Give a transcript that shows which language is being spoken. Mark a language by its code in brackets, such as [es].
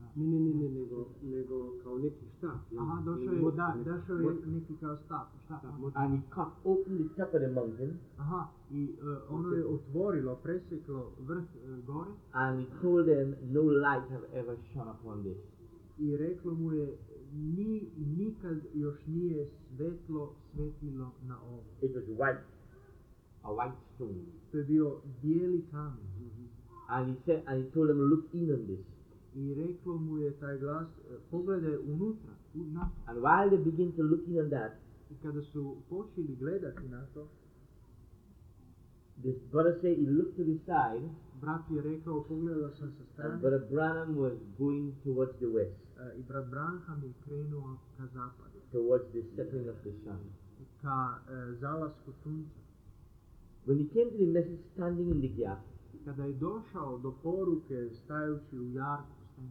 [sr] Ne, nego kao neki štap. Aha, došao je neki kao štap. [en] And he cut open the top of the mountain. [sr] Aha, i ono je otvorilo, preseklo vrh gore. [en] And he told them, no light have ever shone upon this. [sr] I reklo mu je, nikad još nije svetlo svetilo na ovo. [en] It was white, a white stone. [sr] To je bio bijeli kamen. [en] And he said, and he told them, look in on this. [sr] I reklo mu je taj glas, pogledaj unutra, na. [en] And while they begin to look in on that, [sr] i kada su počeli gledati na to, [en] The brother said he looked to the side. [sr] Brat je rekao, pogledao sam sa strane. [en] Brother Branham was going towards the west. [sr] I brat Branham je krenuo ka zapadu. [en] Towards the setting of the sun. [sr] Ka zalasku sunca. [en] When he came to the message standing in the gap. [sr] Kada je došao do poruke stajući u jarku.